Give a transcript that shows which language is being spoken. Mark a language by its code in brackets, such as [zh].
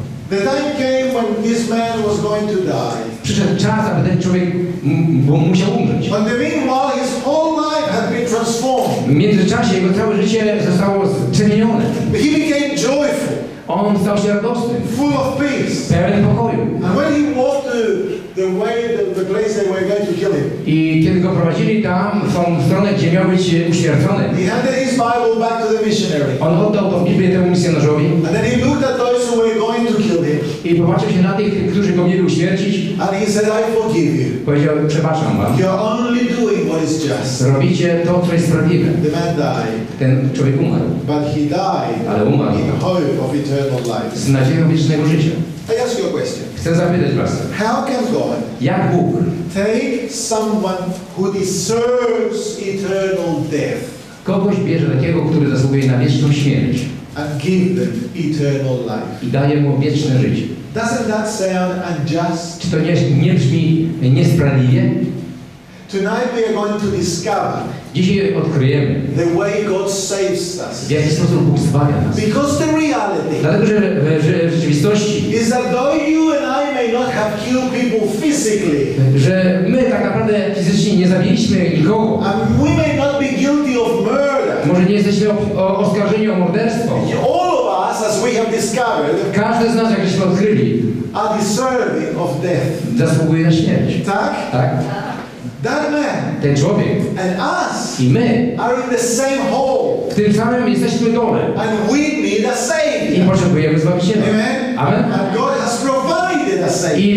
[en] The time came when this man was going to die. [pl] Przyszedł czas, aby ten człowiek musiał umrzeć. [en] But the meanwhile, his whole life had been transformed. [pl] W międzyczasie jego całe życie zostało zmienione. [en] But he became joyful. [pl] On stał się radosny. [en] Full of peace. [pl] Pełen pokoju. [en] And when he walked the way, the place they were going to kill him. [pl] I kiedy go prowadzili tam, w tą stronę, gdzie miał być uświęcony. [en] He handed his Bible back to the missionary. [pl] On oddał tą Biblię temu misjonarzowi. [en] And then he looked at those who were going to kill him. [pl] I popatrzył się na tych, którzy go mieli uświęcić. [en] And he said, I forgive you. [pl] Powiedział, przepraszam wam. [en] You are only doing what is just. [pl] Robicie to, co jest sprawiedliwe. [en] The man died. [pl] Ten człowiek umarł. [en] But he died. [pl] Ale umarł. [en] In hope of eternal life. [pl] Z nadzieją wiecznego życia. [en] I ask you a question. [pl] Chcę zapytać was. [en] How can God? [pl] Jak Bóg? [en] Take someone who deserves eternal death. [pl] Kogoś bierze takiego, który zasługuje na wieczną śmierć. [en] And give them eternal life. [pl] I daje mu wieczne życie. [en] Doesn't that sound unjust? [pl] Czy to nie brzmi niesprawiedliwie? [en] Tonight we are going to discover. [pl] Dzisiaj odkryjemy. [en] The way God saves us. [pl] W jaki sposób Bóg zbawia nas. [en] Because the reality. [pl] Dlatego, że w rzeczywistości. [en] Is that though you and I may not have killed people physically. [pl] Że my tak naprawdę fizycznie nie zabiliśmy nikogo. [en] And we may not be guilty of murder. [pl] Może nie jesteśmy oskarżeni o morderstwo. [en] All of us, as we have discovered. [pl] Każdy z nas, jakbyśmy odkryli. [en] Are deserving of death. [pl] Zasługuje na śmierć. Tak? Tak. [en] That man, [pl] ten człowiek, [en] and us, [pl] i my, [en] are in the same hole. [pl] W tym samym jesteśmy dole. [en] And we need a savior. [pl] I potrzebujemy Zbawiciela. [en] Amen. [pl] Amen. [en] And God has provided a savior.